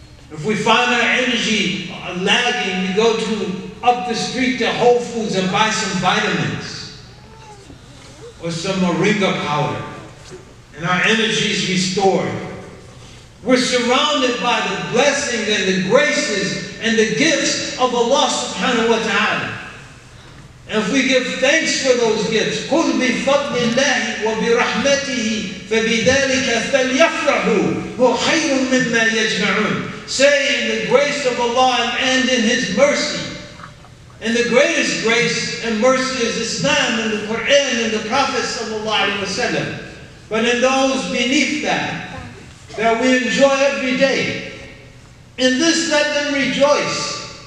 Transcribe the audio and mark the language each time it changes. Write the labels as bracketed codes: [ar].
[en] If we find our energy lagging, we go to up the street to Whole Foods and buy some vitamins or some moringa powder. And our energy is restored. We're surrounded by the blessings and the graces and the gifts of Allah subhanahu wa ta'ala. And if we give thanks for those gifts, [ar] قُلْ بِفَضْلِ اللَّهِ وَبِرَحْمَتِهِ فَبِذَلِكَ فَلْيَفْرَحُوا هُوَ خَيْرٌ مِمَّا يَجْمَعُونَ. [en] Say, in the grace of Allah and in His mercy. And the greatest grace and mercy is Islam and the Quran and the Prophet sallallahu alaihi wasallam. But in those beneath that, that we enjoy every day, in this let them rejoice.